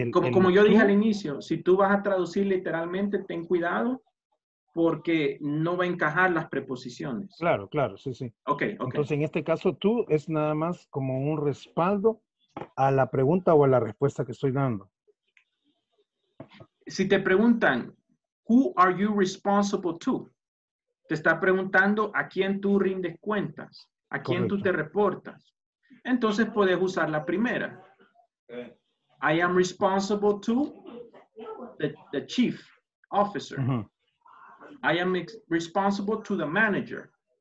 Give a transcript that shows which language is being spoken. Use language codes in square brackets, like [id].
[es] como yo dije al inicio, si tú vas a traducir literalmente, ten cuidado. Porque no va a encajar las preposiciones. Claro, sí. Ok. Entonces, en este caso, tú es nada más como un respaldo a la pregunta o a la respuesta que estoy dando. Si te preguntan, [en] who are you responsible to? [es] Te está preguntando a quién tú rindes cuentas, a quién Correcto. Tú te reportas. Entonces, puedes usar la primera. [en] I am responsible to the chief officer. Uh-huh. I am responsible to the manager.